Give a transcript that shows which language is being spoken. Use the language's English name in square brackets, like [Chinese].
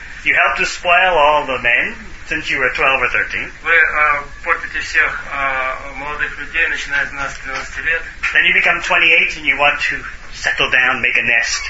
[English] You helped to spoil all the men since you were 12 or 13. [Russian] Вы портите всех молодых людей, начиная с 12-13 лет. [English] Then you become 28 and you want to settle down, make a nest.